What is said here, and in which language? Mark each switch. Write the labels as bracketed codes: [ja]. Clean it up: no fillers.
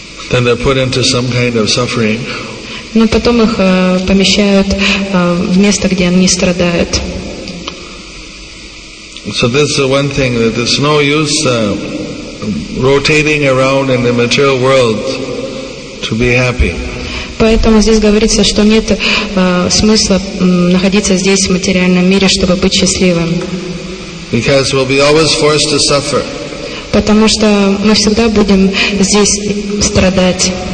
[en] Then they're put into some kind of suffering. [ru] Но потом их помещают в место, где они страдают. [en] So this is one thing, that there's no use rotating around in the material world to be happy. [ru] Поэтому здесь говорится, что нет смысла находиться здесь, в материальном мире, чтобы быть счастливым. [en] Because we'll be always forced to suffer. [ru] Потому что мы всегда будем здесь страдать.